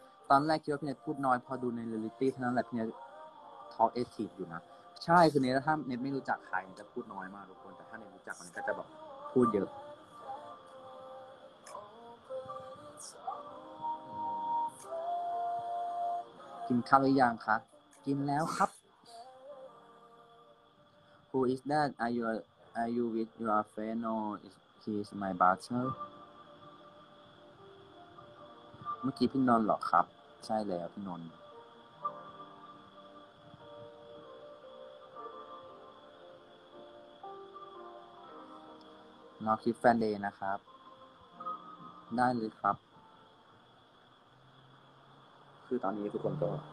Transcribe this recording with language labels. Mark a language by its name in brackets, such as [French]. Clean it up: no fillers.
[Thai] ตอนแรกคิดว่าพี่เนตพูดน้อยพอดูในเรลิตี้เท่านั้นแหละพี่เนตทอล์กเอทีฟอยู่นะใช่คือเนตถ้าเนตไม่รู้จักใครจะพูดน้อยมากทุกคนแต่ถ้าเนตรู้จักมันก็จะแบบพูดเยอะกินข้าวหรือยังคะกินแล้วครับ [English] Who is that? Are you with your friend or is he is my butler? [Thai] เมื่อกี้พี่นนท์เหรอครับใช่แล้วพี่นนท์น้องคิดแฟนเดย์นะครับได้เลยครับคือตอนนี้ทุกคนก็